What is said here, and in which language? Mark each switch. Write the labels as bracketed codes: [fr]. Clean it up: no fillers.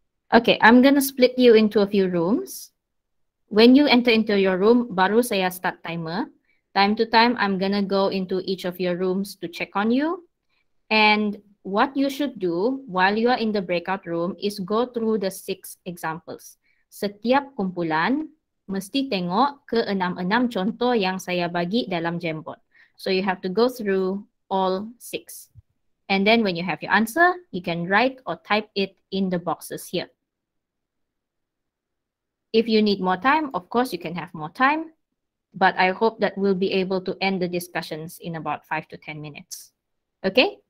[en] Okay, I'm gonna split you into a few rooms. When you enter into your room, [ms] baru saya [en] start timer. Time to time, I'm gonna go into each of your rooms to check on you. And what you should do while you are in the breakout room is go through the 6 examples. [ms] Setiap kumpulan mesti tengok ke 6-6 contoh yang saya bagi dalam Jamboard. [en] So you have to go through all 6. And then when you have your answer, you can write or type it in the boxes here. If you need more time, of course, you can have more time. But I hope that we'll be able to end the discussions in about 5 to 10 minutes. Okay?